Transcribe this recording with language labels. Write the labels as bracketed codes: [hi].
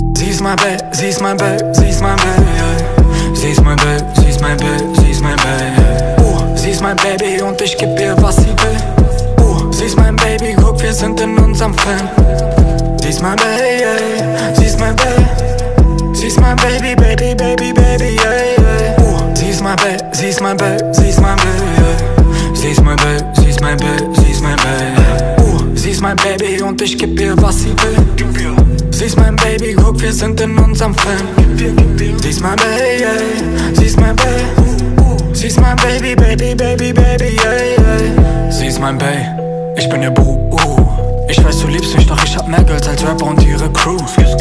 [en] She's my babe, she's my babe, she's my babe, yeah. She's my babe, she's my babe, she's my babe, yeah. She's my baby [de] und ich geb ihr was sie will. [en] She's my baby, [de] guck wir sind in unserem Film. [en] She's my babe, yeah. She's my babe. She's my baby, baby, baby, baby, yeah, yeah. She's my babe, she's my babe, she's my babe, yeah. She's my babe, she's my babe, she's my babe, yeah. She's my baby [de] und ich geb ihr was sie will. Sie ist mein Baby, guck, wir sind in unserem Film. Sie ist mein Baby, yeah. Sie ist mein Baby. Sie ist mein Baby, Baby, Baby, Baby, yeah, yeah. Sie ist mein Baby, ich bin ihr Boo. Ich weiß, du liebst mich, doch ich hab mehr Girls als Rapper und ihre Crews.